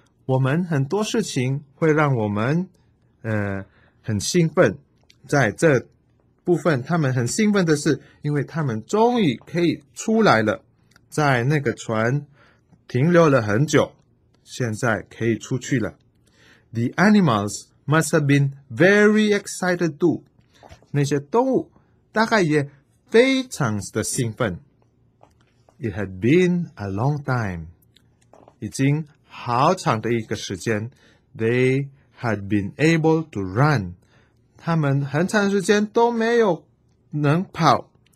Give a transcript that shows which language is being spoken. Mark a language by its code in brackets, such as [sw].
[zh] 我们很多事情会让我们，很兴奋。在这部分，他们很兴奋的是，因为他们终于可以出来了，在那个船停留了很久，现在可以出去了。 [en] The animals must have been very excited too。 [zh] 那些动物大概也非常的兴奋。 [en] It had been a long time. [zh] 已经好长的一个时间。 [en] They had been able to run. [zh] 他们很长时间都没有能跑。